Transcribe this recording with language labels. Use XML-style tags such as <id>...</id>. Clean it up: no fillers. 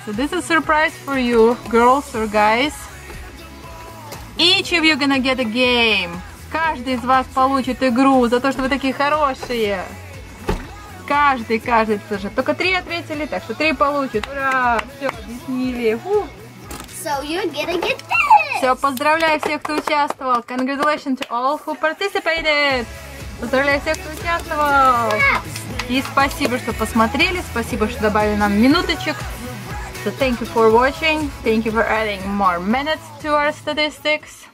<en>So this is a surprise for you, girls or guys. Each of you gonna get a game.</en> <ru>Каждый из вас получит игру за то, что вы такие хорошие. Каждый тоже. Только 3 ответили, так что 3 получит. Ура! Все, объяснили.</ru> <en>So you're gonna get this!</en> <ru>Все, поздравляю всех, кто участвовал.</ru> <en>Congratulations to all who participated!</en> <ru>Поздравляю всех, кто участвовал! И спасибо, что посмотрели, спасибо, что добавили нам минуточек.</ru> <en>So thank you for watching, thank you for adding more minutes to our statistics.</en>